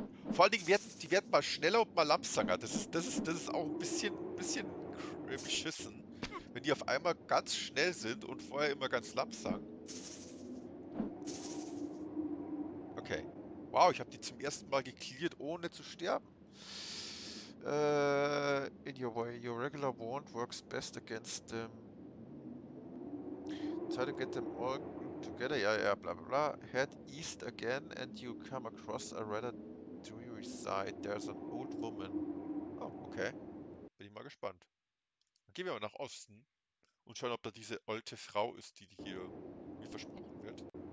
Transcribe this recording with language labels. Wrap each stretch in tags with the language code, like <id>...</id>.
<de>Vor allen Dingen die werden mal schneller und mal langsamer. Das ist auch ein bisschen beschissen. Wenn die auf einmal ganz schnell sind und vorher immer ganz langsam. Okay. Wow, ich habe die zum ersten Mal gecleared, ohne zu sterben.</de> <en>In your way, your regular wand works best against them. Try to get them all together. Ja, bla bla bla. Head east again and you come across a rather dreary sight. There's an old woman. Oh, okay. Bin ich mal gespannt.</en> <de>Gehen wir mal nach Osten und schauen, ob da diese alte Frau ist, die hier mir versprochen wird.</de>